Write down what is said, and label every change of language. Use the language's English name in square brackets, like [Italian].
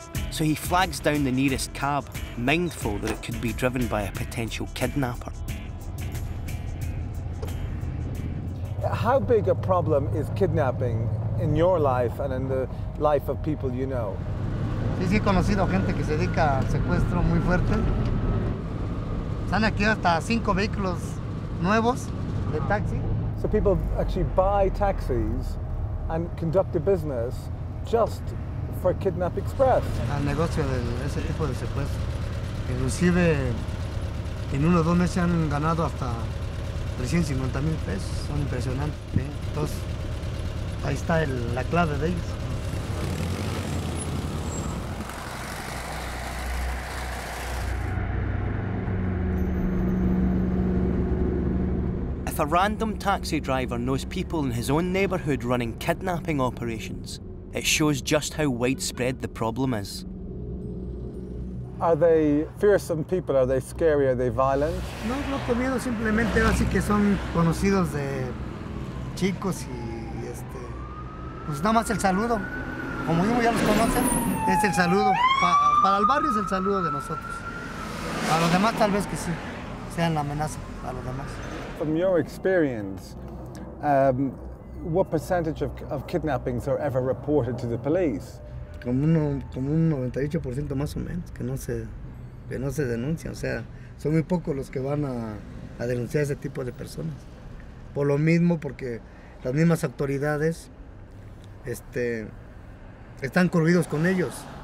[English] So he flags down the nearest cab, mindful that it could be driven by a potential kidnapper. How big a problem is kidnapping in your life and in the life of people you know? [Spanish] Sí, sí, he conocido gente que se dedica al secuestro muy fuerte. Sale aquí hasta cinco vehículos nuevos. [English] The taxi. So people actually buy taxis and conduct a business just for Kidnap Express. [Spanish] Al negocio de ese tipo de secuestro. Inclusive, en uno o dos meses han ganado hasta 350 mil pesos. Son impresionantes. Entonces, ahí está la clave de ellos. [English] If a random taxi driver knows people in his own neighbourhood running kidnapping operations, it shows just how widespread the problem is. Are they fearsome people? Are they scary? Are they violent? [Spanish] No, no, con miedo, simplemente así que son conocidos de chicos y este. Pues nada más el saludo. Como digo, ya los conocen, es el saludo. Para el barrio es el saludo de nosotros. Para los demás, tal vez que sí, sean la amenaza para los demás. [English] From your experience, what percentage of kidnappings are ever reported to the police? [Spanish] Como un 98% más o menos que no se denuncian, o sea, son muy pocos los que van a denunciar ese tipo de personas. Por lo mismo, porque las mismas autoridades están corruidos con ellos.